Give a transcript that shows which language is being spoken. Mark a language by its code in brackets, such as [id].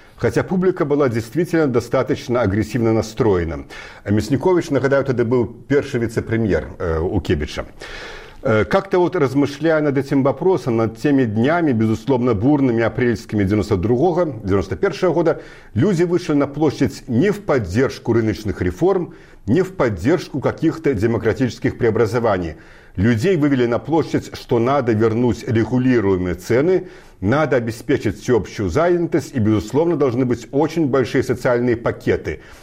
[ru] Хотя публіка была действительно достаточно агрэсівна настроена. [be] Мясніковіч, нагадаю, тады быў першы віцэ-прэм'ер у Кебіча. [ru] Как-то вот размышляя над этим вопросом, над теми днями, безусловно, бурными апрельскими 92-го, 91-го года, люди вышли на площадь не в поддержку рыночных реформ, не в поддержку каких-то демократических преобразований. Людей вывели на площадь, что надо вернуть регулируемые цены, надо обеспечить всеобщую занятость и, безусловно, должны быть очень большие социальные пакеты.